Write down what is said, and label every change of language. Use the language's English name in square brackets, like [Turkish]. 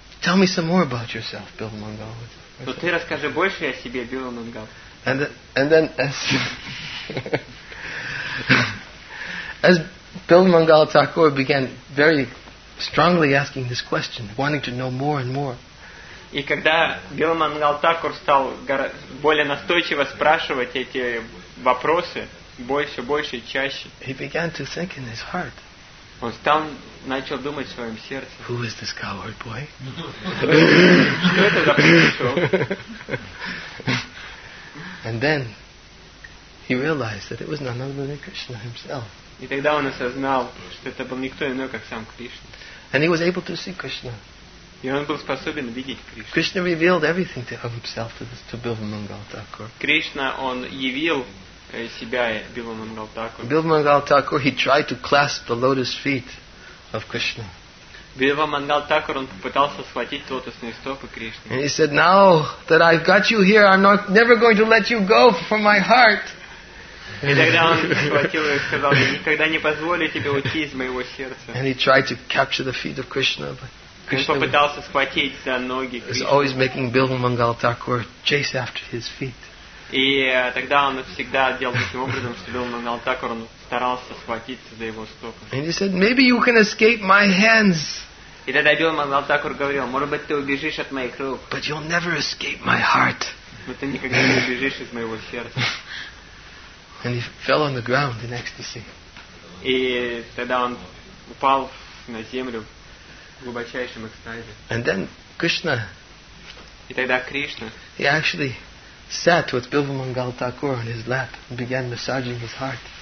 [English] Tell me some more about yourself, Bill Mangal. Ну [Russian] ты расскажи больше о себе, Bill Mangal. [English] And then as Bill Mangal Thakur began very strongly asking this question, wanting to know more and more. [Russian] И когда Bilbo Mangal Thakur стал более настойчиво спрашивать эти вопросы больше, больше и чаще, [English] he began to think in his heart, [Russian] он стал начал думать в своем сердце, [English] who is this coward boy? [Russian] Что это за пришел? [English] And then he realized that it was none other than Krishna himself. [Russian] И тогда он осознал, что это был никто иной, как сам Кришна. [English] And he was able to see Krishna. [Russian] И он был способен видеть Кришну. [English] Krishna revealed everything to himself to Bilbo Mangal Thakur. [Russian] Кришна, он явил себя Bilbo Mangal Thakur. [English] Bilbo Mangal Thakur, he tried to clasp the lotus feet of Krishna. [Russian] Bilbo Mangal Thakur, он попытался схватить лотосные стопы Кришны. [English] And he said, "Now that I've got you here, I'm not never going to let you go from my heart." [Russian] И тогда он схватил и сказал, "Я никогда не позволю тебе уйти из моего сердца." [English] And he tried to capture the feet of Krishna, but [Russian] Krishna он попытался схватить за ноги Кришну. [English] He was always making Bilbo Mangal Thakur chase after his feet. [Russian] И тогда он всегда делал таким образом, что Bilbo Mangal Thakur старался схватиться за его стопы. [English] And he said, "Maybe you can escape my hands." [Russian] И тогда Bilbo Mangal Thakur говорил, "Может быть, ты убежишь от моих рук." [English] But you'll never escape my heart. [Russian] Но ты никогда не убежишь из моего сердца. [English] And he fell on the ground in ecstasy. [Russian] И тогда он упал на землю. Глубочайшем экстазе. [English] And then Krishna. [Russian] И тогда Кришна. [English] He actually sat with Bilbo Mangal Thakur on his lap and began massaging his heart.